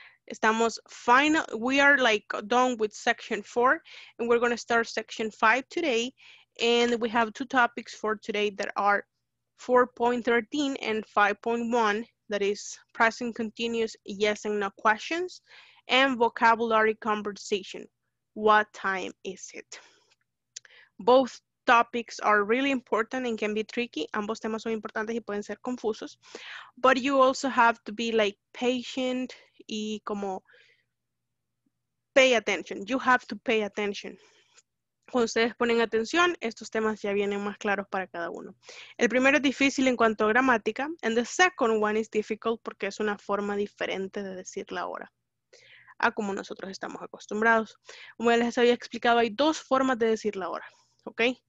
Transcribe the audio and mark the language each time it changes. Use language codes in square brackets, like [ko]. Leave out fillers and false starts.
[es] Estamos final, [en] we are like done with section 4 and we're going to start section 5 today, and we have two topics for today that are 4.13 and 5.1, that is present continuous yes and no questions and vocabulary conversation. What time is it? Both topics are really important and can be tricky. [es] Ambos temas son importantes y pueden ser confusos. [en] But you also have to be like patient [es] y como [en] pay attention. You have to pay attention. [es] Cuando ustedes ponen atención, estos temas ya vienen más claros para cada uno. El primero es difícil en cuanto a gramática. [en] And the second one is difficult [es] porque es una forma diferente de decir la hora a como nosotros estamos acostumbrados. Como ya les había explicado, hay dos formas de decir la hora. ¿Ok?